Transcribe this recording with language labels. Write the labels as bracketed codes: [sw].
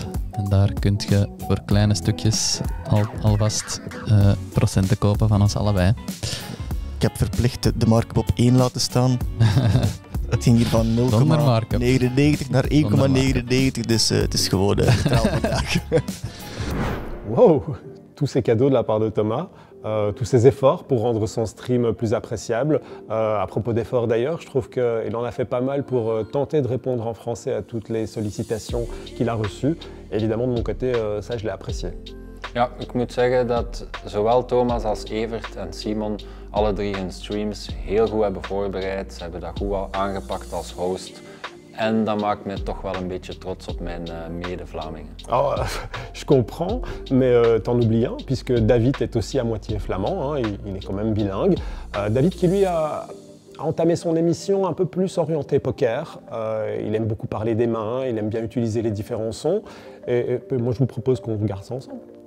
[nl] En daar kun je voor kleine stukjes alvast procenten kopen van ons allebei. Ik heb verplicht de markup op 1 laten staan. Het ging hier van 0,99 naar 1,99, dus het is gewoon een taal vandaag. [fr] Wow, tous ces cadeaux de la part de Thomas. Tous ses efforts pour rendre son stream plus appréciable. À propos d'efforts d'ailleurs, je trouve qu'il en a fait pas mal pour tenter de répondre en français à toutes les sollicitations qu'il a reçues. Et évidemment, de mon côté, ça, je l'ai apprécié. [nl] Ja, ik moet zeggen dat zowel Thomas als Evert en Simon alle drie hun streams heel goed hebben voorbereid. Ze hebben dat goed aangepakt als host. En dat maakt me toch wel een beetje trots op mijn mede-Vlamingen. [fr] Oh, je comprends, mais t'en oublie un, puisque David est aussi à moitié flamand, hein, il est quand même bilingue. David qui lui a entamé son émission un peu plus orientée poker. Il aime beaucoup parler des mains, il aime bien utiliser les différents sons. Et moi je vous propose qu'on regarde ça ensemble.